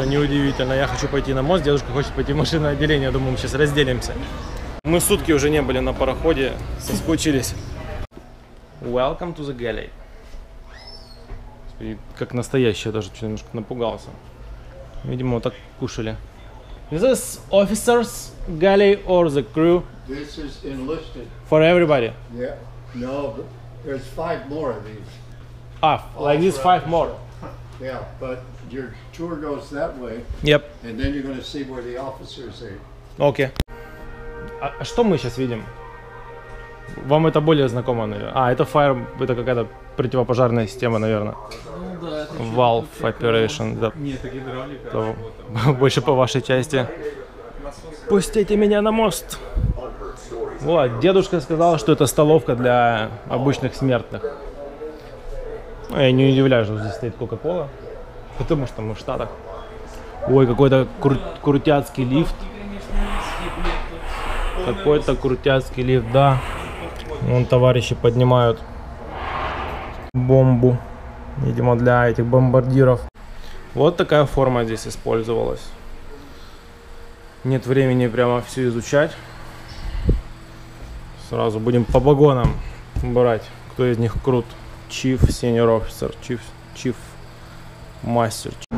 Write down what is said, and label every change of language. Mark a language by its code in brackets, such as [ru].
[ru] Что неудивительно, я хочу пойти на мост, дедушка хочет пойти в машинное отделение. Думаю, мы сейчас разделимся. Мы сутки уже не были на пароходе, соскучились. [en] Welcome to the galley. [ru] Как настоящий, даже немножко напугался. Видимо, вот так кушали. [en] Is this officers galley or the crew? This is enlisted. For everybody? Yeah. No, there's five more of these. Ah, like these five more. Yeah, but your tour goes that way. Yep. And then you're going to see where the officers are. [ru] Okay. А что мы сейчас видим? Вам это более знакомо, наверное? А, это fire, это какая-то противопожарная система, наверное. [en] Valve operation. [ru] Нет, это гидравлика. Больше по вашей части. Пустите меня на мост. Вот, дедушка сказал, что это столовка для обычных смертных. Ну, я не удивляюсь, что здесь стоит Coca-Cola. Потому что мы в Штатах. Ой, какой-то крутяцкий лифт. Какой-то крутяцкий лифт, да. Вон товарищи поднимают бомбу. Видимо, для этих бомбардиров. Вот такая форма здесь использовалась. Нет времени прямо все изучать. Сразу будем по погонам брать, кто из них крут. [en] Chief, Senior Officer, Chief Master.